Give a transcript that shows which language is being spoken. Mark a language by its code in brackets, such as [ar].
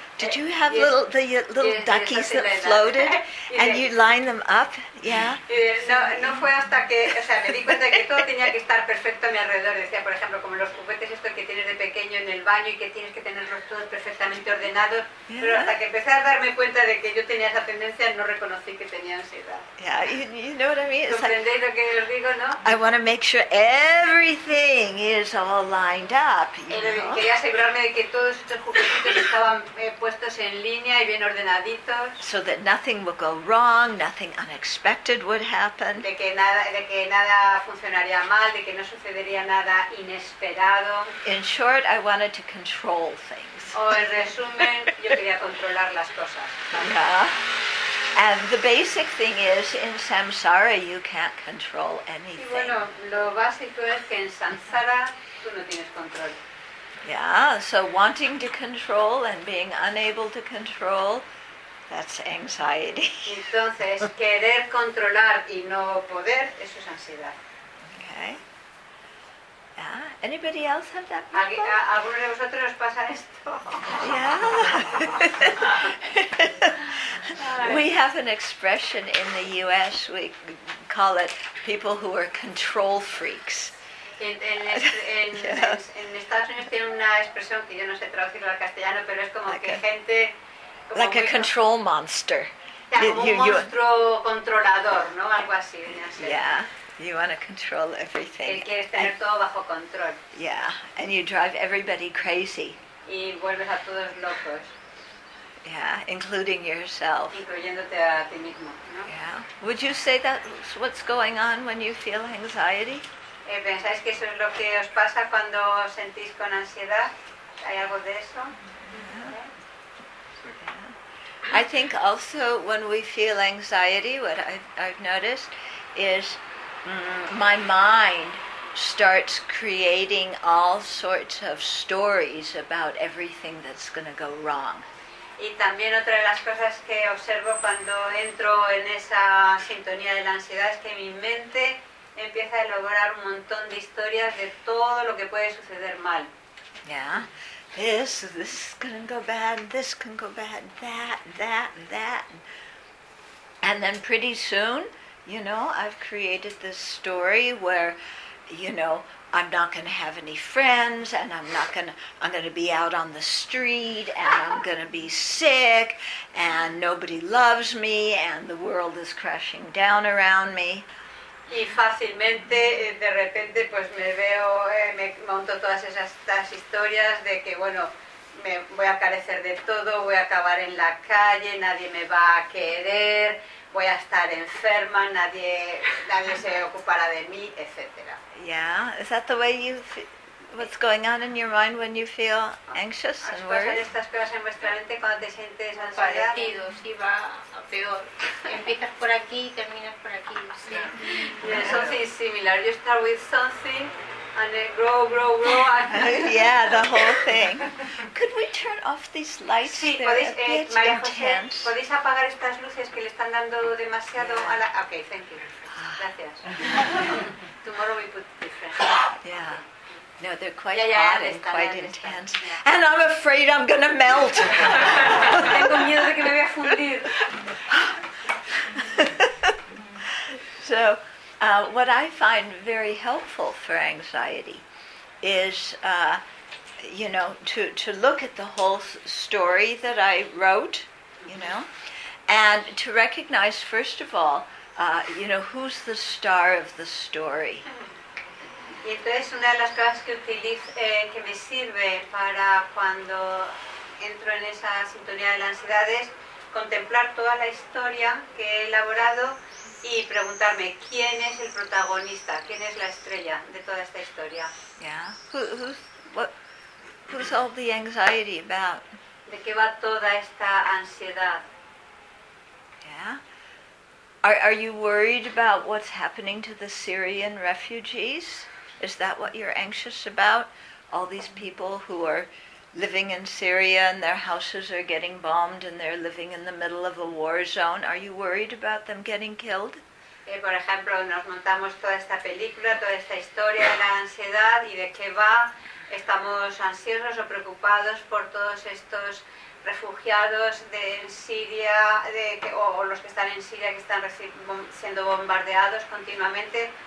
[en] Did you have little duckies that floated, and you line them up? Yeah. [es] No fue hasta que, o sea, me di cuenta que todo tenía que estar perfecto a mi alrededor. Decía, por ejemplo, como los juguetes estos que tienes de pequeño en el baño y que tienes que tenerlos todos perfectamente ordenados. Yeah. Pero hasta que empecé a darme cuenta de que yo tenía esa tendencia, no reconocí que tenía ansiedad. [en] Yeah, you know what I mean? [es] ¿Comprendéis lo que os digo, no? [en] I want to make sure everything is all lined up, you know? [es] Quería asegurarme de que todos estos juguetitos estaban puestos en línea y bien ordenaditos. [en] So that nothing would go wrong, nothing unexpected would happen. [es] De que nada funcionaría mal, de que no sucedería nada inesperado. [en] In short, I wanted to control things. [es] O en resumen, yo quería controlar las cosas. [en] Yeah. And the basic thing is, in samsara, you can't control anything. [es] Y bueno, lo básico es que en samsara tú no tienes control. [en] Yeah, so wanting to control and being unable to control, that's anxiety. [es] Entonces, querer controlar y no poder, eso es ansiedad. [en] Okay. Yeah. Anybody else have that problem? [es] ¿Alguno de vosotros os pasa esto? [en] Yeah. We have an expression in the U.S., we call it people who are control freaks. [es] En Estados Unidos tiene una expresión que yo no sé traducirla al castellano, pero es como like que gente... Como [en] like a control monster. [es] Como un monstruo controlador, ¿no? Algo así. [en] Yeah, you want to control everything. [es] Que quieres tener todo bajo control. [en] Yeah, and you drive everybody crazy. [es] Y vuelves a todos locos. [en] Yeah, including yourself. [es] Incluyéndote a ti mismo, ¿no? [en] Yeah. Would you say that's what's going on when you feel anxiety? [es] ¿Pensáis que eso es lo que os pasa cuando os sentís con ansiedad? ¿Hay algo de eso? [en] Yeah. I think also when we feel anxiety, what I've noticed is my mind starts creating all sorts of stories about everything that's going to go wrong. [es] Y también otra de las cosas que observo cuando entro en esa sintonía de la ansiedad es que mi mente empieza a elaborar un montón de historias de todo lo que puede suceder mal. [en] Yeah. This is gonna go bad, this can go bad, that. And then pretty soon, you know, I've created this story where, you know, I'm not going to have any friends, and I'm going to be out on the street, and I'm going to be sick, and nobody loves me, and the world is crashing down around me. [es] Y fácilmente, de repente, pues me veo, me monto todas estas historias de que, bueno, me voy a carecer de todo, voy a acabar en la calle, nadie me va a querer, voy a estar enferma, nadie se ocupará de mí, etc. [en] Yeah, is that the way you feel, what's going on in your mind when you feel anxious and worried? [es] ¿Pasan estas cosas en vuestra mente cuando te sientes ansiedad? Parecido, sí, va a peor. Empiezas por aquí y terminas por aquí, sí. [en] Yeah, something similar. You start with something and then grow. Yeah, the whole thing. Could we turn off these lights? [es] Sí, ¿podéis apagar estas luces que le están dando demasiado a la... [en] Ok, thank you. Gracias. Tomorrow we put different. Yeah. No, they're quite hot and quite intense. And I'm afraid I'm gonna melt. [es] Tengo miedo de que me voy a fundir. [en] So, what I find very helpful for anxiety is, you know, to look at the whole story that I wrote, you know, and to recognize, first of all, you know, who's the star of the story. [es] Y entonces una de las cosas que utilizo, que me sirve para cuando entro en esa sintonía de la ansiedad es contemplar toda la historia que he elaborado y preguntarme quién es el protagonista, quién es la estrella de toda esta historia. [en] Yeah. Who's all the anxiety about? [es] ¿De qué va toda esta ansiedad? [en] Yeah. Are you worried about what's happening to the Syrian refugees? Is that what you're anxious about? All these people who are living in Syria and their houses are getting bombed and they're living in the middle of a war zone. Are you worried about them getting killed? [es] Por ejemplo, nos montamos toda esta película, toda esta historia de la ansiedad y de qué va. Estamos ansiosos o preocupados por todos estos refugiados de Siria, o los que están en Siria que están siendo bombardeados continuamente.